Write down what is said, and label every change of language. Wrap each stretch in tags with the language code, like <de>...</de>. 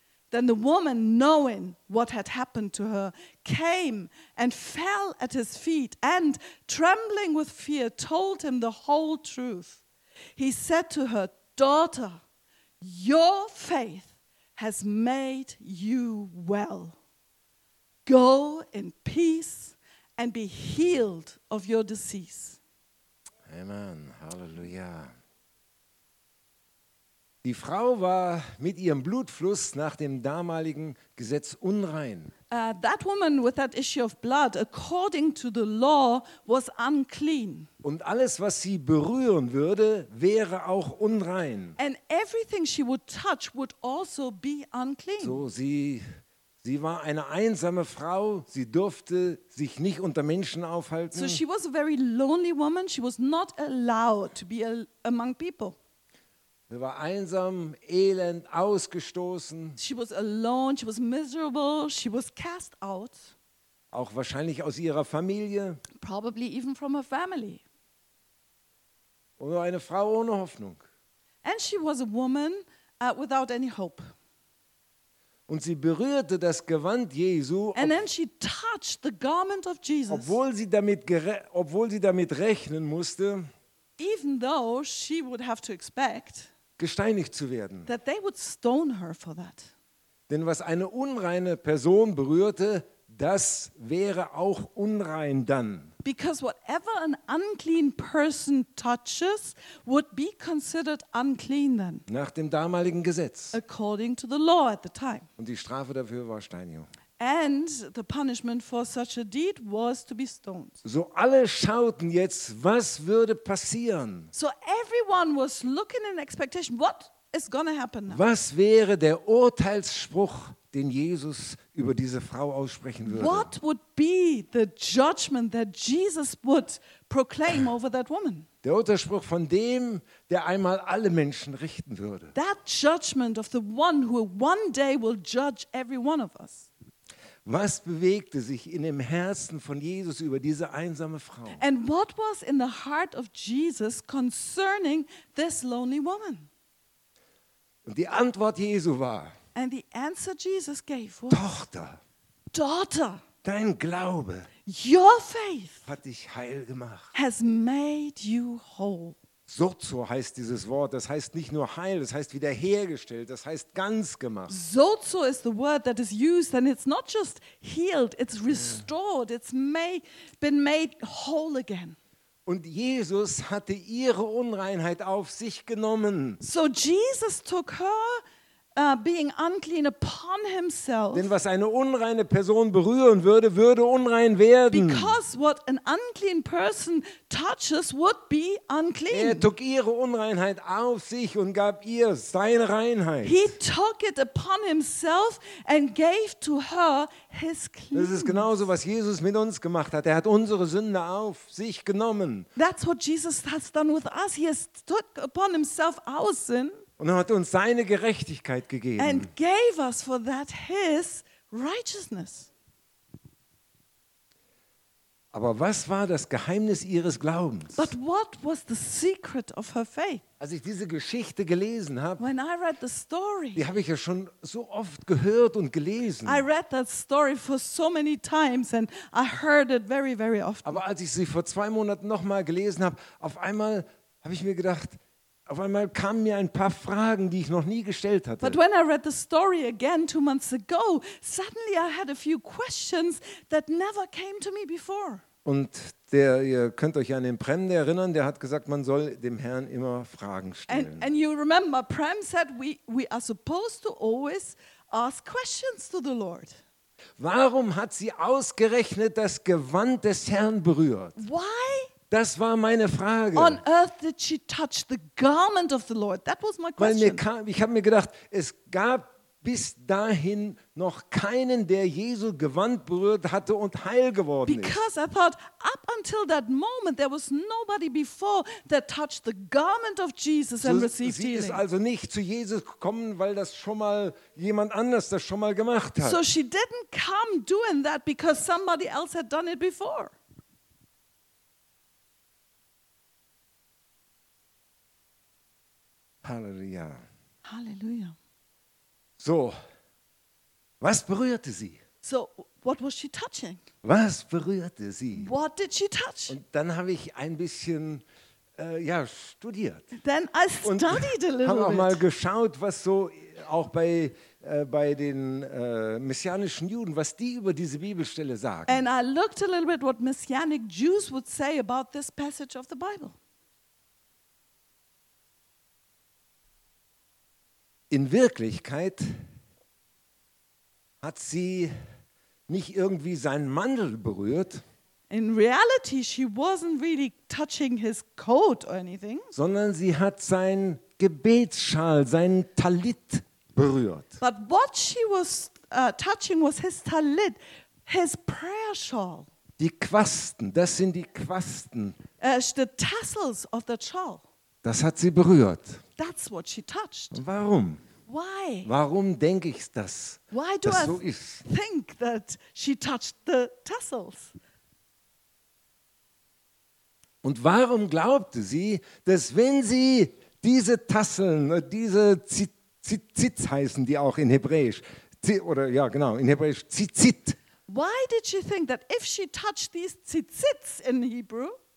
<en>Then the woman, knowing what had happened to her, came and fell at his feet and, trembling with fear, told him the whole truth. He said to her, "Daughter, your faith has made you well. Go in peace and be healed of your disease." Amen. Hallelujah.</en> <de>Die Frau war mit ihrem Blutfluss nach dem damaligen Gesetz unrein.</de> <en>That woman with that issue of blood, according to the law, was unclean.</en> <de>Und alles, was sie berühren würde, wäre auch unrein.</de> <en>And everything she would touch would also be unclean.</en> <de>So, sie war eine einsame Frau, sie durfte sich nicht unter Menschen aufhalten.</de> <en>So she was a very lonely woman, she was not allowed to be among people.</en> <de>Sie war einsam, elend, ausgestoßen.</de> <en>She was alone, she was miserable, she was cast out.</en> <de>Auch wahrscheinlich aus ihrer Familie.</de> <en>Probably even from her family.</en> <de>Oder eine Frau ohne Hoffnung.</de> <en>And she was a woman without any hope.</en> <de>Und sie berührte das Gewand Jesu.</de> <en>And then she touched the garment of Jesus.</en> <de>Obwohl sie damit rechnen musste.</de> <en>Even though she would have to expect</en> <de>gesteinigt zu werden.</de> <en>That they would stone her for that.</en> <de>Denn was eine unreine Person berührte, das wäre auch unrein dann.</de> <en>Because whatever an unclean person touches would be considered unclean then.</en> <de>Nach dem damaligen Gesetz.</de> <en>According to the law at the time.</en> <de>Und die Strafe dafür war Steinigung.</de> <en>And the punishment for such a deed was to be stoned.</en> <de>So alle schauten jetzt, was würde passieren?</de> <en>So everyone was looking in expectation, what is going to happen now?</en> <de>Was wäre der Urteilsspruch, den Jesus über diese Frau aussprechen würde?</de> <en>What would be the judgment that Jesus would proclaim over that woman?</en> <de>Der Urteilsspruch von dem, der einmal alle Menschen richten würde.</de> <en>That judgment of the one who one day will judge every one of us.</en> <de>Was bewegte sich in dem Herzen von Jesus über diese einsame Frau?</de> <en>And what was in the heart of Jesus concerning this lonely woman?</en> <de>Und die Antwort Jesu war.</de> <en>And the answer Jesus gave was.</en> <de>Tochter.</de> <en>Daughter.</en> <de>Dein Glaube.</de> <en>Your faith.</en> <de>Hat dich heil gemacht.</de> <en>Has made you whole.</en> <de>Sozo heißt dieses Wort, das heißt nicht nur heil, das heißt wiederhergestellt, das heißt ganz gemacht.</de> <en>Sozo is the word that is used and it's not just healed, it's restored, it's been made whole again.</en> <de>Und Jesus hatte ihre Unreinheit auf sich genommen.</de> <en>So Jesus took her being unclean upon himself.</en> <de>Denn was eine unreine Person berühren würde, würde unrein werden.</de> <en>Because what an unclean person touches would be unclean.</en> <de>Er tog ihre Unreinheit auf sich und gab ihr seine Reinheit.</de> <en>He took it upon himself and gave to her his cleanness.</en> <de>Das ist genauso, was Jesus mit uns gemacht hat. Er hat unsere Sünde auf sich genommen.</de> <en>That's what Jesus has done with us. He has took upon himself our sin.</en> <de>Und er hat uns seine Gerechtigkeit gegeben.</de> <en>And gave us for that his righteousness.</en> <de>Aber was war das Geheimnis ihres Glaubens?</de> <en>But what was the secret of her faith?</en> <de>Als ich diese Geschichte gelesen habe,</de> <en>when I read the story,</en> <de>die habe ich ja schon so oft gehört und gelesen.</de> <en>I read that story for so many times and I heard it very, very often.</en> <de>Aber als ich sie vor 2 Monaten nochmal gelesen habe, auf einmal habe ich mir gedacht, auf einmal kamen mir ein paar Fragen, die ich noch nie gestellt hatte.</de> <en>But when I read the story again 2 months ago, suddenly I had a few questions that never came to me before.</en> <de>Und der, ihr könnt euch an den Prem erinnern, der hat gesagt, man soll dem Herrn immer Fragen stellen.</de> <en>And you remember, Prem said we are supposed to always ask questions to the Lord.</en> <de>Warum hat sie ausgerechnet das Gewand des Herrn berührt?</de> <en>Why</en> <de>Das war meine Frage.</de> <en>On earth did she touch the garment of the Lord? That was my question.</en> <de>Weil mir kam, ich habe mir gedacht, es gab bis dahin noch keinen, der Jesu Gewand berührt hatte und heil geworden ist.</de> <en>Because I thought, up until that moment, there was nobody before that touched the garment of Jesus and received healing.</en> <de>Sie ist also nicht zu Jesus gekommen, weil das schon mal jemand anders das schon mal gemacht hat.</de> <en>So she didn't come doing that because somebody else had done it before.</en> <de>Halleluja.</de> <en>Halleluja.</en> <de>So, was berührte sie?</de> <en>So, what was she touching?</en> <de>Was berührte sie?</de> <en>What did she touch?</en> <de>Und dann habe ich ein bisschen studiert.</de> <en>Then I studied a little bit.</en> <de>Habe auch mal geschaut, was so auch bei den messianischen Juden, was die über diese Bibelstelle sagen.</de> <en>And I looked a little bit what messianic Jews would say about this passage of the Bible.</en> <de>In Wirklichkeit hat sie nicht irgendwie seinen Mantel berührt.</de> <en>In reality, she wasn't really touching his coat or anything.</en> <de>Sondern sie hat seinen Gebetsschal, seinen Talit berührt.</de> <en>But what she was touching was his Talit, his prayer shawl.</en> <de>Die Quasten, das sind die Quasten.</de> <en>The tassels of the shawl.</en> <de>Das hat sie berührt.</de> <en>That's what she touched.</en> <de>Warum?</de> <en>Why?</en> <de>Warum denke ich das?</de> <en>Why do</en> <de>das</de> <en>I</en> <de>so ist?</de> <en>Think that she touched the tassels?</en> <de>Und warum glaubte sie, dass wenn sie diese Tasseln, diese Zitz heißen die auch in Hebräisch, Zitzit.</de> <en>Why did she think that if she touched these Zitzits in Hebrew?</en>